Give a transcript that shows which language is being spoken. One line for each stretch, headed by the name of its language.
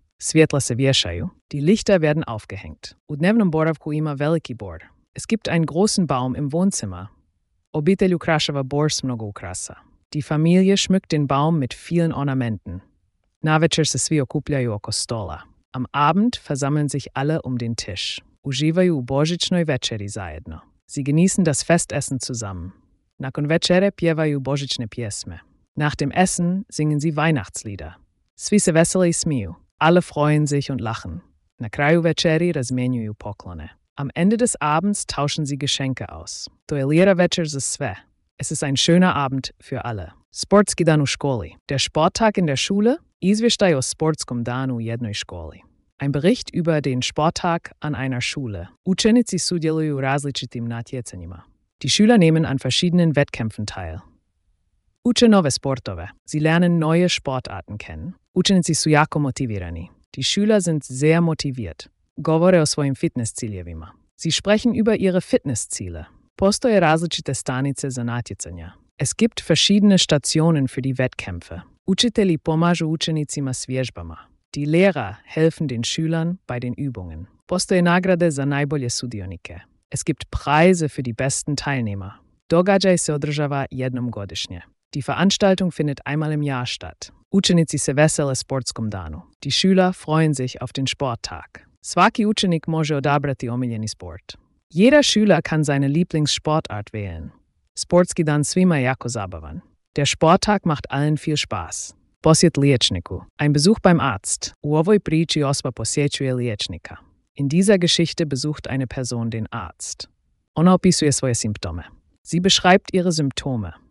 Croatian: Svjetla se vješaju.
German: Die Lichter werden aufgehängt.
Croatian: U dnevnom boravku ima veliki bor.
German: Es gibt einen großen Baum im Wohnzimmer.
Croatian: Obitelj ukrašava bor s mnogo ukrasa.
German: Die Familie schmückt den Baum mit vielen Ornamenten.
Croatian: Navečer se svi okupljaju oko stola.
German: Am Abend versammeln sich alle um den Tisch.
Croatian: Uživaju u božićnoj večeri zajedno.
German: Sie genießen das Festessen zusammen.
Croatian: Nakon večere pjevaju božićne pjesme.
German: Nach dem Essen singen sie Weihnachtslieder.
Croatian: Svi se veseli i smiju.
German: Alle freuen sich und lachen.
Croatian: Na kraju večeri razmenjuju poklone.
German: Am Ende des Abends tauschen sie Geschenke aus.
Croatian: To je lijepa večer za sve.
German: Es ist ein schöner Abend für alle.
Croatian: Sportski dan u školi.
German: Der Sporttag in der Schule.
Croatian: Izvještaj o sportskom danu u jednoj školi.
German: Ein Bericht über den Sporttag an einer Schule.
Croatian: Učenici sudjeluju u različitim natjecanjima.
German: Die Schüler nehmen an verschiedenen Wettkämpfen teil.
Croatian: Uče nove sportove.
German: Sie lernen neue Sportarten kennen.
Croatian: Učenici su jako motivirani.
German: Die Schüler sind sehr motiviert.
Croatian: Govore o svojim fitnessziljevima.
German: Sie sprechen über ihre Fitnessziele.
Croatian: Postoje različite stanice za natjecanja.
German: Es gibt verschiedene Stationen für die Wettkämpfe.
Croatian: Učitelji pomažu učenicima s vježbama.
German: Die Lehrer helfen den Schülern bei den Übungen.
Croatian: Postoje nagrade za najbolje sudionike.
German: Es gibt Preise für die besten Teilnehmer.
Croatian: Događaj se održava jednom godišnje.
German: Die Veranstaltung findet einmal im Jahr statt.
Croatian: Učenici se vesele sportskom danu.
German: Die Schüler freuen sich auf den Sporttag.
Croatian: Svaki učenik može odabrati omiljeni sport.
German: Jeder Schüler kann seine Lieblingssportart wählen.
Croatian: Sportski dan svima je jako zabavan.
German: Der Sporttag macht allen viel Spaß.
Croatian: Posjet liječniku.
German: Ein Besuch beim Arzt.
Croatian: U ovoj priči osoba posjećuje liječnika.
German: In dieser Geschichte besucht eine Person den Arzt.
Croatian: Ona opisuje svoje simptome.
German: Sie beschreibt ihre Symptome.